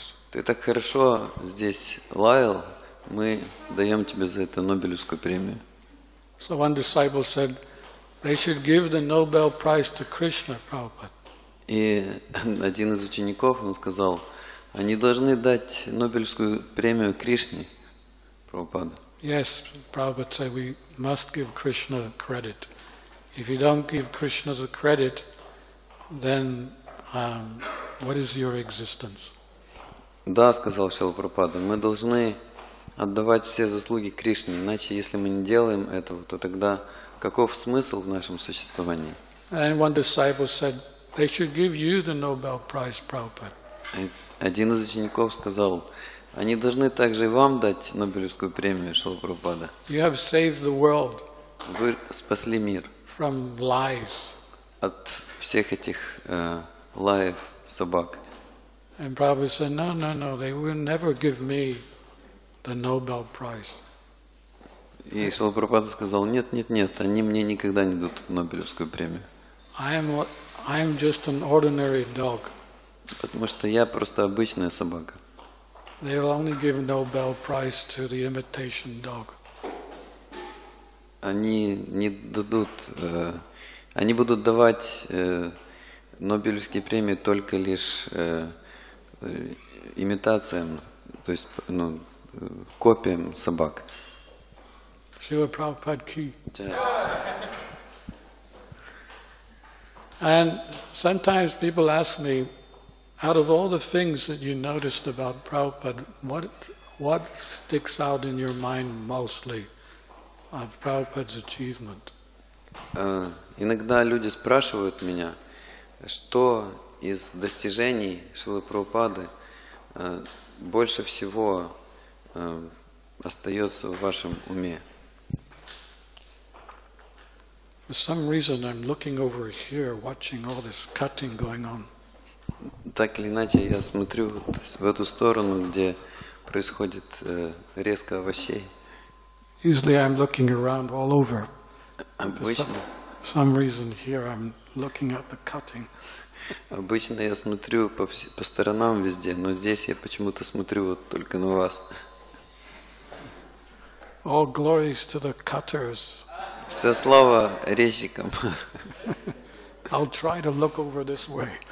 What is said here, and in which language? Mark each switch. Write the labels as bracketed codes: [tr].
[ru] Ты так хорошо здесь лаял, мы даем тебе за это Нобелевскую премию. [en] So one disciple said, "They should give the Nobel Prize to Krishna, Prabhupada." [ru] И один из учеников он сказал, они должны дать Нобелевскую премию Кришне, Прабхупада. [en] Yes, Prabhupada said we must give Krishna credit. If you don't give Krishna the credit, then what is your existence? [ru] Да, сказал Шрила Прабхупада, мы должны отдавать все заслуги Кришне, иначе если мы не делаем этого, то тогда каков смысл в нашем существовании? [en] And one disciple said, they should give you the Nobel Prize, Prabhupada. [ru] Один из учеников сказал, они должны также и вам дать Нобелевскую премию, Шрила Прабхупада. [en] You have saved the world. [ru] Вы спасли мир. [en] From lies. [ru] От всех этих лаев собак. [en] And Prabhupada said, "No, no, no. They will never give me the Nobel Prize." [ru] И Шрила Прабхупада сказал, "Нет, нет, нет. Они мне никогда не дадут Нобелевскую премию." [en] I am just an ordinary dog. [ru] Потому что я просто обычная собака. [en] They will only give Nobel Prize to the imitation dog. [ru] Они не дадут. Они будут давать Нобелевские премии только лишь имитациям, то есть ну, копиям собак. Шрила Прабхупада ки. [en] And sometimes people ask me, out of all the things that you noticed about Prabhupada, what sticks out in your mind mostly of Prabhupada's achievement? [ru] Иногда люди спрашивают меня, что из достижений Шрилы Прабхупады больше всего остается в вашем уме. [en] For some reason I'm looking over here, watching all this cutting going on. [ru] Так или иначе, я смотрю вот в эту сторону, где происходит резка овощей. [en] Usually I'm looking around all over. [ru] Обычно. [en] For some reason here I'm looking at the cutting. [ru] Обычно я смотрю по сторонам везде, но здесь я почему-то смотрю вот только на вас. [en] All glories to the cutters. [ru] Все слава резчикам. [en] I'll try to look over this way.